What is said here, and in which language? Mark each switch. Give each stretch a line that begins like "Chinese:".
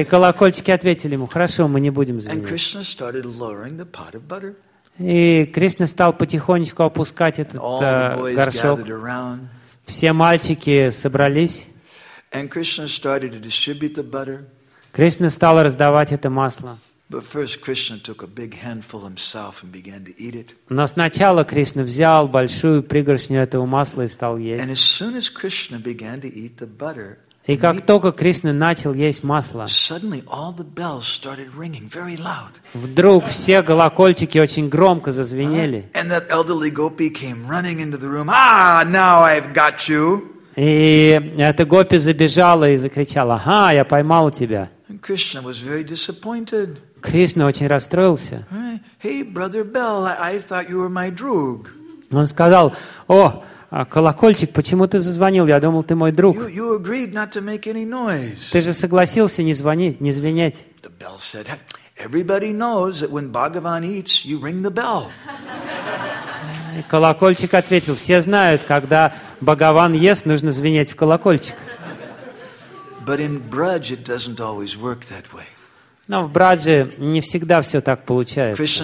Russian: И колокольчики ответили ему: хорошо, мы не будем звенеть.
English: And Krishna started lowering the pot of butter.
Russian: И Кришна стал потихонечку опускать этот горшок. Все мальчики собрались.
English: And Krishna started to distribute the butter.
Russian: Кришна стал раздавать это масло.
English: But first Krishna took a big handful himself and began to eat it.
Russian: Но сначала Кришна взял большую пригоршню этого масла и стал есть.
English: And as soon as Krishna began to eat the butter,
Russian: и как только Кришна начал есть масло,
English: suddenly all the bells started ringing very loud.
Russian: Вдруг все колокольчики очень громко зазвенели.
English: And that elderly gopi came running into the room. Ah, now I've got you.
Russian: И эта гопи забежала и закричала: ага, я поймал тебя.
English: And Krishna was very disappointed.
Russian: Кришна очень расстроился.
English: Hey, brother Bell, I thought you were my
Russian: друг. Он сказал: о, колокольчик, почему ты зазвонил? Я думал, ты мой друг.
English: You agreed not to make any noise.
Russian: Ты же согласился не звонить, не звенеть.
English: The bell said, everybody knows that when Bhagavan eats, you ring the bell.
Russian: Колокольчик ответил: все знают, когда Бхагаван ест, нужно звенеть в колокольчик.
English: But in Braj, it doesn't always work that way.
Russian: Но в Брадже не всегда все так получается.